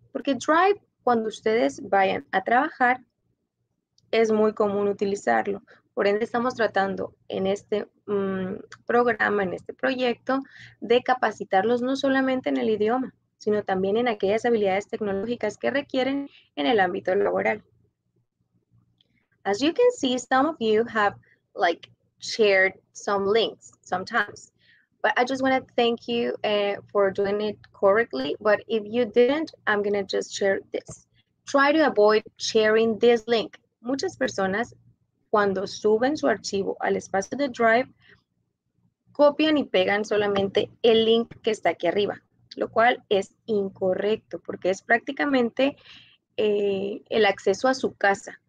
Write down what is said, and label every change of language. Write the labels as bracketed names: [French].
[Spanish] Porque Drive, cuando ustedes vayan a trabajar, es muy común utilizarlo. Por ende, estamos tratando en este programa, en este proyecto, de capacitarlos no solamente en el idioma, sino también en aquellas habilidades tecnológicas que requieren en el ámbito laboral. [English] As you can see, some of you have like shared some links sometimes. But I just want to thank you for doing it correctly. But if you didn't, I'm going to just share this. Try to avoid sharing this link. [Spanish] Muchas personas, cuando suben su archivo al espacio de Drive, copian y pegan solamente el link que está aquí arriba, lo cual es incorrecto porque es prácticamente el acceso a su casa.